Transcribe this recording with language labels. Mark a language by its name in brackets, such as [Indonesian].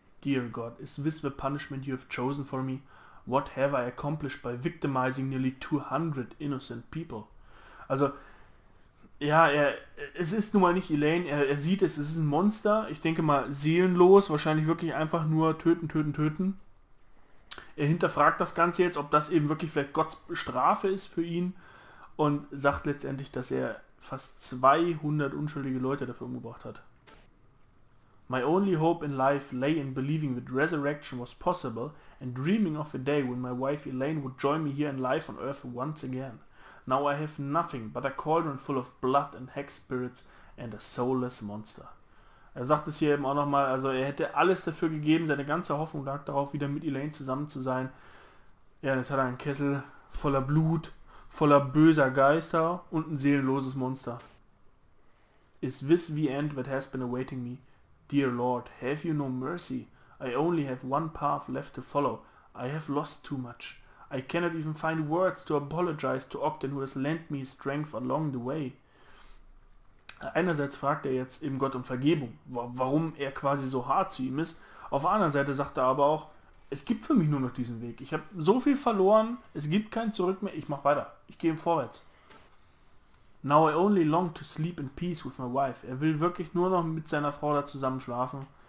[English] Dear God, is this the punishment you have chosen for me? What have I accomplished by victimizing nearly 200 innocent people? [German] Also, ja, es ist nun mal nicht Elaine. Er sieht es, es ist ein Monster. Ich denke mal, seelenlos, wahrscheinlich wirklich einfach nur töten, töten, töten. Er hinterfragt das Ganze jetzt, ob das eben wirklich vielleicht Gottes Strafe ist für ihn und sagt letztendlich, dass er fast 200 unschuldige Leute dafür umgebracht hat. [English] My only hope in life lay in believing that resurrection was possible and dreaming of a day when my wife Elaine would join me here in life on earth once again. Now I have nothing but a cauldron full of blood and hex spirits and a soulless monster. [German] Er sagt es hier eben auch nochmal, also er hätte alles dafür gegeben, seine ganze Hoffnung lag darauf, wieder mit Elaine zusammen zu sein. Ja, jetzt hat er einen Kessel voller Blut, voller böser Geister und ein seelenloses Monster. [English] Is this the end that has been awaiting me? Dear Lord, have you no mercy? I only have one path left to follow. I have lost too much. I cannot even find words to apologize to Ogden, who has lent me strength along the way. [German] Einerseits fragt er jetzt eben Gott um Vergebung, warum er quasi so hart zu ihm ist. Auf der anderen Seite sagt er aber auch, es gibt für mich nur noch diesen Weg. Ich habe so viel verloren, es gibt kein Zurück mehr, ich mache weiter. Ich gehe vorwärts. [English] Now I only long to sleep in peace with my wife. [German] Er will wirklich nur noch mit seiner Frau da zusammen schlafen.